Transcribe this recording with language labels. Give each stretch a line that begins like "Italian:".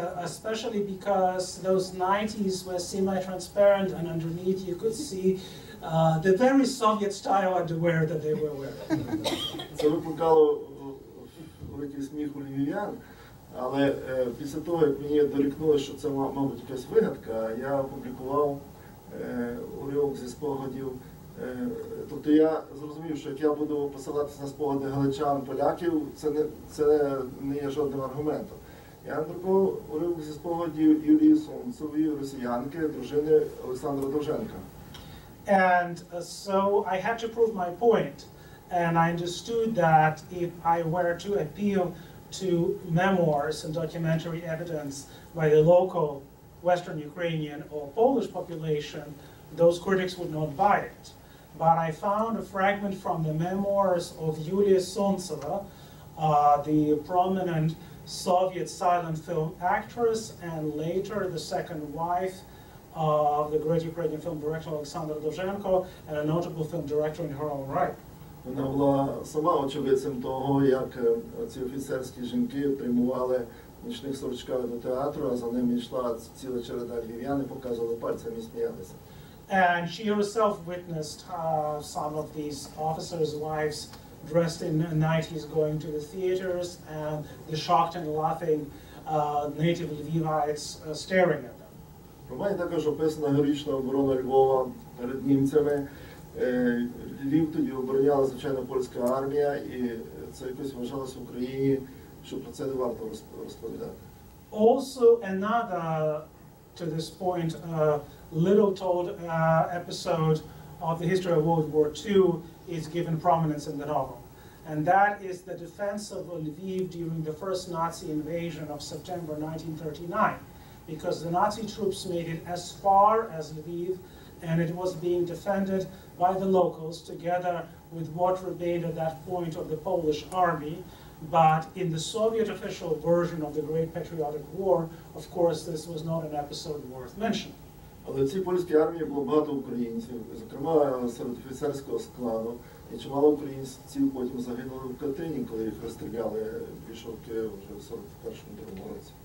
English: Especially because those 90s were semi-transparent and underneath you could see the very Soviet style underwear that they were wearing.
Ukrainian: Це викликало великий сміх у львів'ян. Але після того, як мені дорікнули, що це, мабуть, якась вигадка, я опублікував уривок зі спогадів. Тобто я зрозумів, що як я буду посилатися на спогади галичан, поляків, це не є жодним аргументом. Я надрукував уривок зі спогадів Юлії Сонцевої, росіянки, дружини Олександра Довженка.
English: And so I had to prove my point, and I understood that if I were to appeal to memoirs and documentary evidence by the local Western Ukrainian or Polish population, those critics would not buy it. But I found a fragment from the memoirs of Yulia Sontseva, the prominent Soviet silent film actress and later the second wife of the great Ukrainian film director Oleksandr Dovzhenko and a notable film director in her own right.
Ukrainian: Вона була сама очевидцем того, як ці офіцерські жінки приймували в нічних сорочках до театру, а за ними йшла ціла череда львів'ян і показували пальцями і сміялися.
English: And she herself witnessed some of these officers' wives dressed in 90s going to the theaters and the shocked and laughing native Lvivites staring at them.
Ukrainian: В романі також описана героїчна оборона Львова перед німцями. Львів тоді обороняла, звичайно, польська армія, і це якось вважалося в Україні, що про це не варто розповідати.
English: Also another, to this point, little told episode of the history of World War II is given prominence in the novel. And that is the defense of Lviv during the first Nazi invasion of September 1939. Because the Nazi troops made it as far as Lviv, and it was being defended by the locals, together with what remained at that point of the Polish army. But in the Soviet official version of the Great Patriotic War, of course, this was not an episode worth mentioning.
Ukrainian: Але в цій польській армії було багато українців, зокрема серед офіцерського складу. І чимало українців потім загинули в Катині, коли їх розстріляли більшовки вже в 41-му році.